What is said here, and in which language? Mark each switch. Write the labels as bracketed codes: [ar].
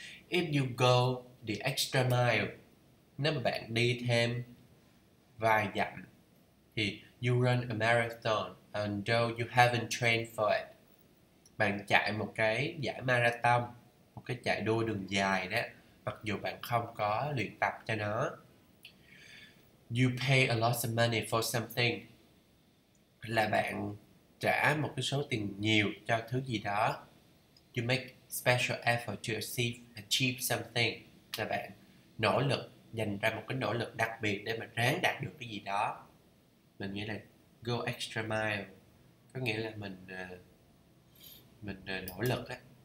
[en] If you go the extra mile, [vi] nếu mà bạn đi thêm vài dặm, thì [en] you run a marathon and though you haven't trained for it. [vi] Bạn chạy một cái giải marathon, một cái chạy đua đường dài đó, mặc dù bạn không có luyện tập cho nó. [en] You pay a lot of money for something. [vi] Là bạn trả một cái số tiền nhiều cho thứ gì đó. [en] You make special effort to achieve something. [vi] Là bạn nỗ lực, dành ra một cái nỗ lực đặc biệt để mà ráng đạt được cái gì đó. Mình nghĩa là go extra mile, có nghĩa là mình nỗ lực á.